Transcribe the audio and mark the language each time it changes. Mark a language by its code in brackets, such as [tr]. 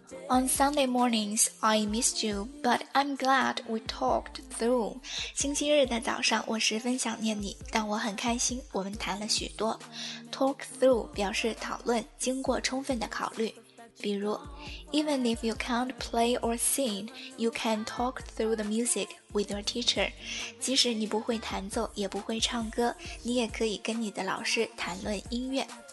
[en] On Sunday mornings, I missed you, but I'm glad we talked through. [zh] 星期日的早上，我十分想念你，但我很开心我们谈了许多。 Talk through 表示讨论，经过充分的考虑。比如 [en] Even if you can't play or sing, you can talk through the music with your teacher. [zh] 即使你不会弹奏，也不会唱歌，你也可以跟你的老师谈论音乐。